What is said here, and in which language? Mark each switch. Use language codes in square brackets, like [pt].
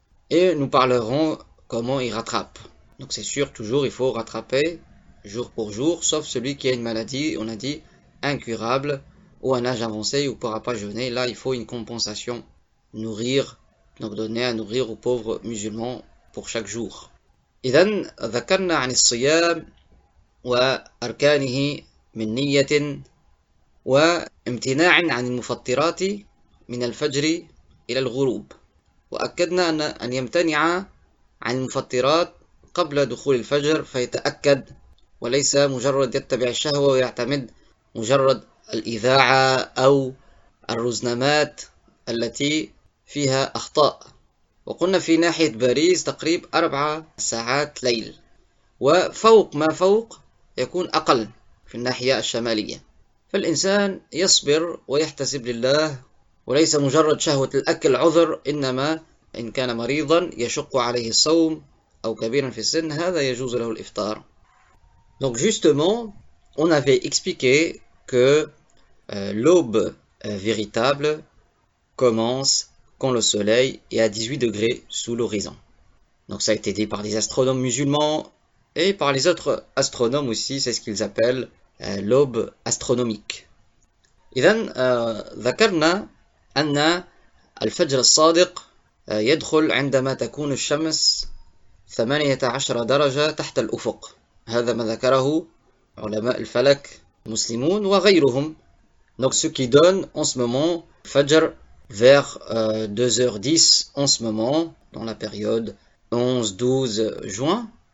[fr] Et nous parlerons comment il rattrape. Donc c'est sûr, toujours il faut rattraper jour pour jour, sauf celui qui a une maladie, on a dit, incurable ou un âge avancé ou ne pourra pas jeûner. Là, il faut une compensation, nourrir, donc donner à nourrir aux pauvres musulmans pour chaque jour. [ar] إذن ذكرنا عن الصيام وأركانه من نية وامتناع عن المفطرات من الفجر إلى الغروب، وأكدنا أن يمتنع عن المفطرات قبل دخول الفجر فيتأكد وليس مجرد يتبع الشهوة ويعتمد مجرد الإذاعة أو الرزنامات التي فيها أخطاء. وقلنا في ناحية باريس تقريب 4 ساعات ليل، وفوق ما فوق يكون أقل في الناحية الشمالية. فالإنسان يصبر ويحتسب لله، وليس مجرد شهوة الأكل عذر، إنما إن كان مريضا يشق عليه الصوم أو كبيرا في السن هذا يجوز له الإفطار. [fr] Donc justement, on avait expliqué que l'aube véritable commence quand le soleil est à 18 degrés sous l'horizon. Donc ça a été dit par les astronomes musulmans et par les autres astronomes aussi, c'est ce qu'ils appellent l'aube astronomique. [ar] إذن ذكرنا أن الفجر الصادق يدخل عندما تكون الشمس 18 درجة تحت الأفق. هذا ما ذكره علماء الفلك المسلمون وغيرهم. [fr] Donc ce qui donne en ce moment فجر vers 2h10 en ce moment, dans la période 11-12 juin.